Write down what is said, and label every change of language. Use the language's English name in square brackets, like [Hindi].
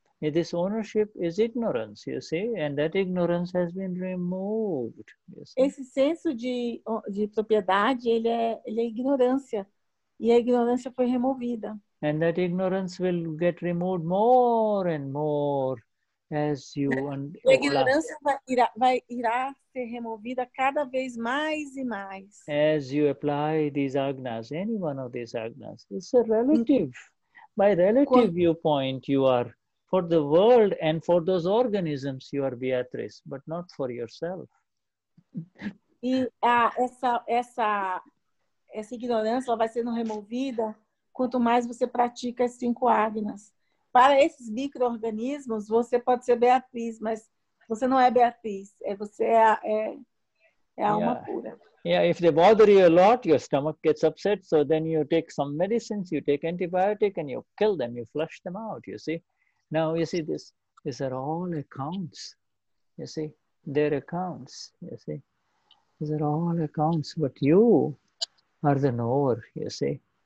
[English] This ownership is ignorance, you see, and that ignorance has been removed. [Portuguese] Esse senso de propriedade, ele é ignorância, e a ignorância foi removida. [English] And that ignorance will get removed more and more as you [Portuguese] a ignorância irá ser removida cada vez mais e mais. [English] As you apply these agnas, any one of these agnas, it's a relative. By relative viewpoint, you are for the world and for those organisms, you are Beatrice, but not for yourself. [Portuguese] E essa ignorância vai sendo removida quanto mais você pratica as 5 agnas. Para esses micro-organismos, você pode ser Beatriz, mas você não é Beatriz. Você é alma pura. [English] Yeah, if they bother you a lot, your stomach gets upset, so then you take some medicines, you take antibiotic, and you kill them, you flush them out, you see? Now, you see, these are all accounts, you see? They're accounts, you see? These are all accounts, but you are the knower, you see?